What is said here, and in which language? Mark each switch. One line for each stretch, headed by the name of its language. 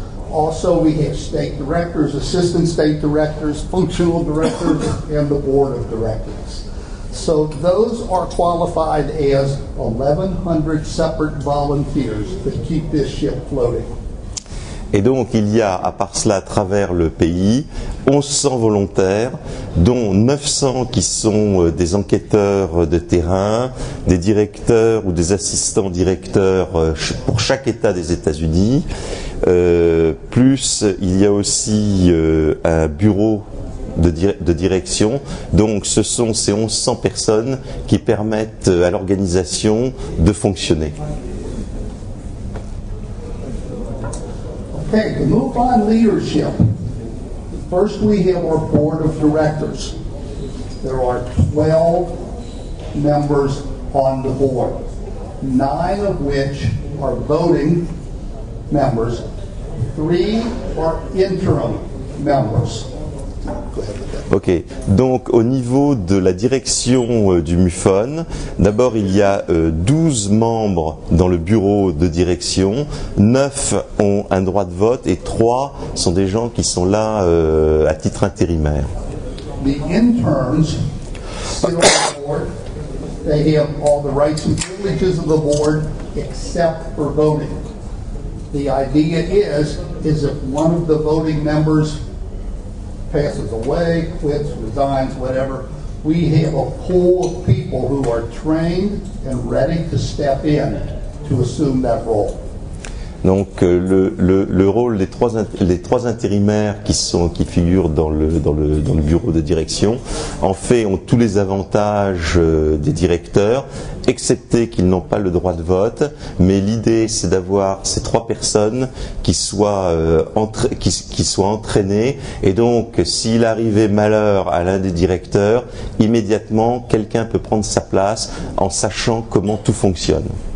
English: Also, we have state directors, assistant state directors, functional directors, and the board of directors. So those are qualified as 1,100 separate volunteers that keep this ship floating.
French: Et donc, il y a, à part cela, à travers le pays, 1,100 volontaires, dont 900 qui sont des enquêteurs de terrain, des directeurs ou des assistants directeurs pour chaque État des États-Unis. Plus, il y a aussi un bureau de direction. Donc, ce sont ces 1,100 personnes qui permettent à l'organisation de fonctionner.
English: Okay, the MUFON leadership. First, we have our board of directors. There are 12 members on the board, 9 of which are voting members, 3 are interim members.
French: Ok, donc au niveau de la direction du MUFON, d'abord il y a 12 membres dans le bureau de direction, 9 ont un droit de vote et 3 sont des gens qui sont là à titre intérimaire.
English: The interns sit on the board, they have all the rights and privileges of the board except for voting. The idea is if one of the voting members passes away, quits, resigns, whatever, we have a pool of people who are trained and ready to step in to assume that role.
French: Donc le rôle des trois intérimaires qui figurent dans le bureau de direction en fait ont tous les avantages des directeurs, excepté qu'ils n'ont pas le droit de vote. Mais l'idée c'est d'avoir ces trois personnes qui soient entraînées, et donc s'il arrivait malheur à l'un des directeurs, immédiatement quelqu'un peut prendre sa place en sachant comment tout fonctionne.